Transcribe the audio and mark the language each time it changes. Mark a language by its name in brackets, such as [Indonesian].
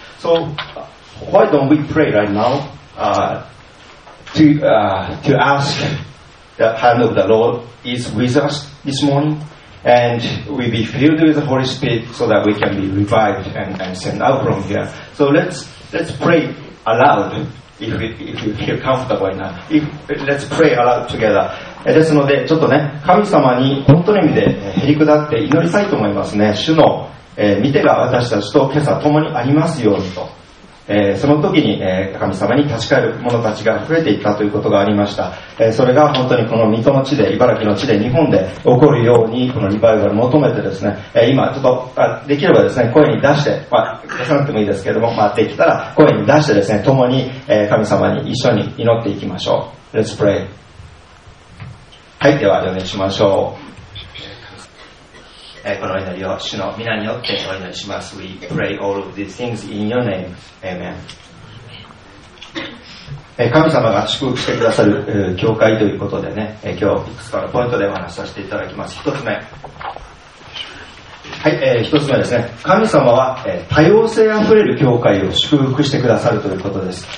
[English] So why don't we pray right now to ask the hand of the Lord. Is with us this morning, and we be filled with the Holy Spirit so that we can be revived and sent out from here. So let's pray aloud if you feel comfortable enough. Let's pray aloud together. [Japanese] ですので、ちょっとね、神様に本当の意味でへりくだって祈りたいと思いますね。主の見てが私たちと今朝共にありますようにと、その時に、神様に立ち返る者たちが増えていったということがありました、それが本当にこの水戸の地で、茨城の地で、日本で起こるようにこのリバイバル求めてですね、今ちょっとできればですね声に出して、まあ出さなくてもいいですけれども、まあ、できたら声に出してですね共に、神様に一緒に祈っていきましょう。 [English] Let's pray。 [Japanese] はい、ではお願いしましょう。この祈りを主の皆によってお祈りします。 [English] We pray all of these things in your name. Amen. [Japanese] 神様が祝福してくださる教会ということでね、今日いくつかのポイントでお話しさせていただきます。 1つ目、はい、1つ目ですね。神様は多様性あふれる教会を祝福してくださるということです。